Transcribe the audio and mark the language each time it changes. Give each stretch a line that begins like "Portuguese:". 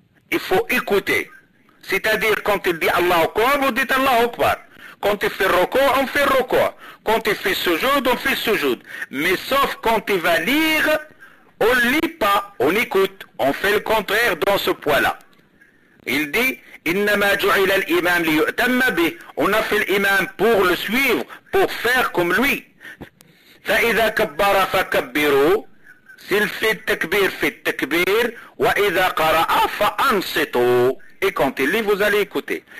French: Il faut écouter. C'est-à-dire, quand il dit Allah Akbar, vous dites Allah Akbar. Quand il fait record, on fait record. Quand il fait sujoud, on fait sujoud. Mais sauf quand il va lire, on ne lit pas, on écoute. On fait le contraire dans ce point-là. Il dit,
Arabic: إِنَّمَا جُعِلَ الْإِمَامِ لِيُؤْتَمَّ بِهِ.
French: On a fait l'imam pour le suivre, pour faire comme lui.
Arabic: فَإِذَا كَبَّرَ فَكَبِّرُوا.
French: S'il fait takbir, fait takbir.
Arabic: Wa idha qara'a fa ansitu.
French: Et quand il lit, vous allez écouter.